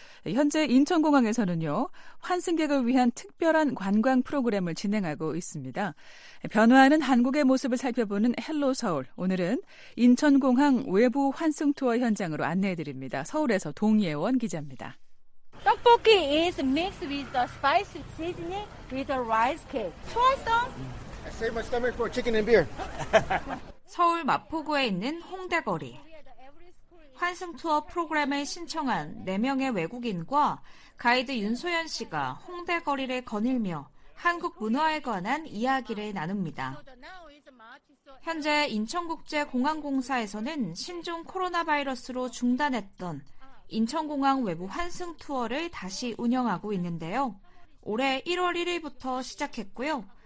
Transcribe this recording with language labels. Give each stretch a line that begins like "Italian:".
Korean: 현재 인천공항에서는요, 환승객을 위한 특별한 관광 프로그램을 진행하고 있습니다. 변화하는 한국의 모습을 살펴보는 헬로 서울. 오늘은 인천공항 외부 환승 투어 현장으로 안내해드립니다. 서울에서 동예원 기자입니다.
English: 떡볶이 is mixed with the spicy seasoning with the rice cake.
Korean: 좋았어?
English: I saved my stomach for chicken and beer.
Korean: 서울 마포구에 있는 홍대거리. 환승 투어 프로그램에 신청한 4명의 외국인과 가이드 윤소연 씨가 홍대거리를 거닐며 한국 문화에 관한 이야기를 나눕니다. 현재 인천국제공항공사에서는 신종 코로나 바이러스로 중단했던 인천공항 외부 환승 투어를 다시 운영하고 있는데요. 올해 1월 1일부터 시작했고요.